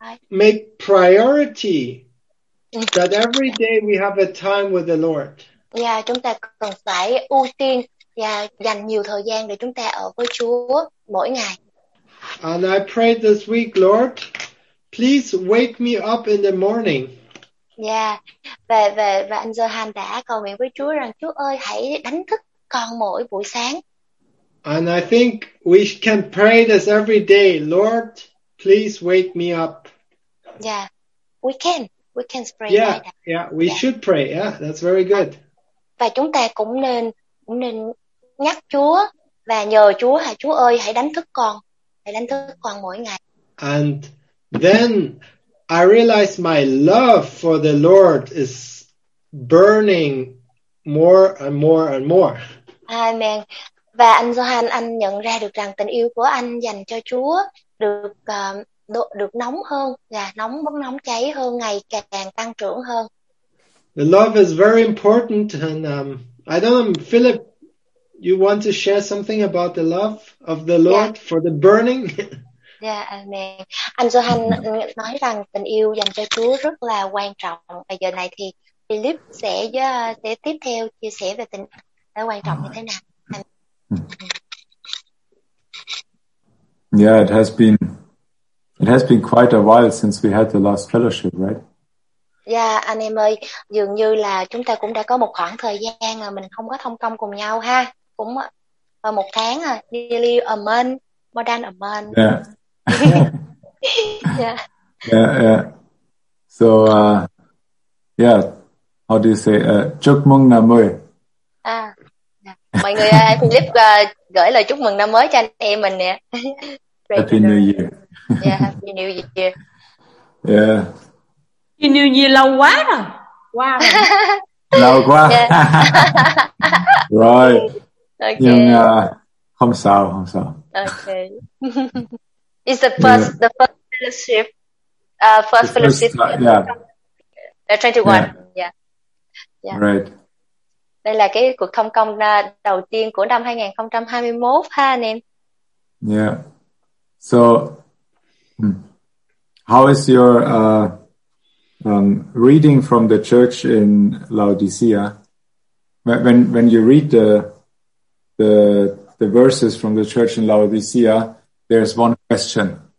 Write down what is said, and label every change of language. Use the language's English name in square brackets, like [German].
[English] Make priority that every day we have a time with the Lord. [Vietnamese] Yeah, chúng ta cần phải ưu tiên và dành nhiều thời gian để chúng ta ở với Chúa mỗi ngày. [English] And I pray this week, Lord, please wake me up in the morning. [Vietnamese] Và anh Johan đã cầu nguyện với Chúa rằng Chúa ơi hãy đánh thức con mỗi buổi sáng. [English] And I think we can pray this every day, Lord, please wake me up. We can pray. Should pray. Yeah, that's very good. [Vietnamese] Và chúng ta cũng nên nhắc Chúa và nhờ Chúa, hả Chúa ơi, hãy đánh thức con mỗi ngày. [English] And then I realize my love for the Lord is burning more and more and more. Amen. [Vietnamese] Và anh Johan, anh nhận ra được rằng tình yêu của anh dành cho Chúa được nóng hơn, nóng cháy hơn, ngày càng tăng trưởng hơn. [English] The love is very important, and I don't know, Philip, you want to share something about the love of the Lord for the burning? Yeah, amen. [Vietnamese] Anh Johan nói rằng tình yêu dành cho Chúa rất là quan trọng. Và giờ này thì Philip sẽ tiếp theo chia sẻ về tình yêu quan trọng như thế nào. [English] Yeah, it has been quite a while since we had the last fellowship, right? [Vietnamese] Yeah, anh em ơi, dường như là chúng ta cũng đã có một khoảng thời gian là mình không có thông công cùng nhau ha. Cũng một tháng à, [English] nearly a month, more than a month. Yeah. Yeah. So how do you say [Vietnamese] chúc mừng năm mới? Mọi người ơi, Philip gửi lời chúc mừng năm mới cho anh em mình nè. [English] Happy New Year. Happy New Year. Yeah. Happy New Year [Vietnamese] lâu quá rồi. Wow. Lâu quá. Yeah. Right. Okay. Nhưng không sao. Okay. [English] It's the first fellowship. First fellowship. Yeah. 21. Yeah. Right. [Vietnamese] Đây là cái cuộc thông công đầu tiên của năm 2021 ha anh em. Yeah. [English] So how is your reading from the church in Laodicea? When you read the verses from the church in Laodicea, there's one question.